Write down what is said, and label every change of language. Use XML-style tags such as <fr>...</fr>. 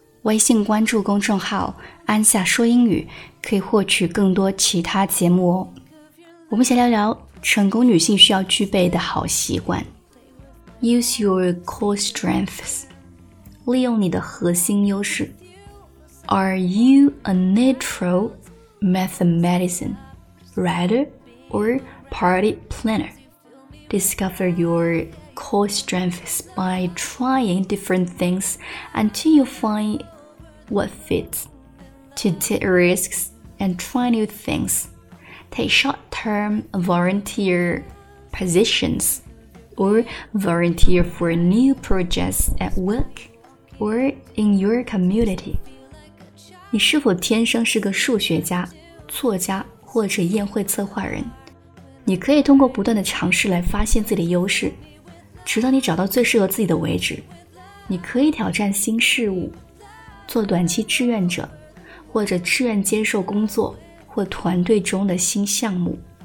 <zh>微信关注公众号安夏说英语，可以获取更多其他节目哦。我们先聊聊成功女性需要具备的好习惯。</zh> <en>Use your core strengths，</en> <zh>利用你的核心优势。</zh> <en>Are you a natural mathematician writer or party plannerDiscover your core strengths by trying different things until you find what fits. To take risks and try new things. Take short-term volunteer positions or volunteer for new projects at work or in your community.</en> <zh>你是否天生是个数学家、作家或者宴会策划人？你可以通过不断的尝试来发现自己的优势，直到你找到最适合自己的位置。你可以挑战新事物，做短期志愿者，或者志愿接受工作或团队中的新项目。</zh>